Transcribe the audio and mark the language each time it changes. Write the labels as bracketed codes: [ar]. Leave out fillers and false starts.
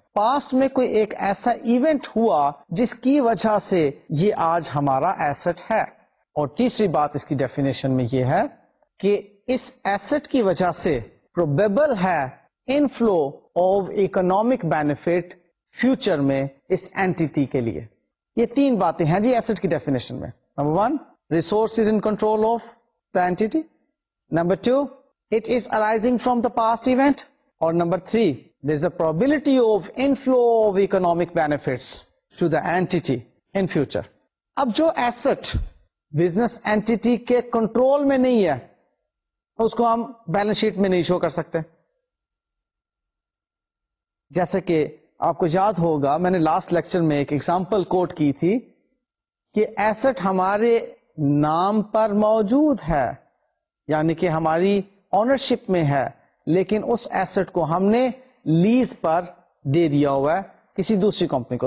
[ur] Past میں کوئی ایک ایسا ایونٹ ہوا جس کی وجہ سے یہ آج ہمارا ایسٹ ہے. اور تیسری بات اس کی ڈیفینیشن میں یہ ہے کہ اس ایسٹ کی وجہ سے پروبیبل ہے [en] inflow of economic benefit [ur] future میں اس اینٹیٹی کے لیے. یہ تین باتیں ہیں جی ایسٹ کی ڈیفینیشن میں. [en] Number one, resource is in control of the entity. Number two, it is arising from the past event. [ur] اور number three, [en] there is a probability of inflow of economic benefits to the entity in future. [ur] اب جو asset business entity کے control میں نہیں ہے اس کو ہم balance sheet میں نہیں show کر سکتے. جیسے کہ آپ کو یاد ہوگا میں نے last lecture میں ایک example quote کی تھی کہ asset ہمارے نام پر موجود ہے یعنی کہ ہماری ownership میں ہے لیکن اس asset کو ہم نے لیز پر دے دیا ہوا ہے کسی دوسری کمپنی کو.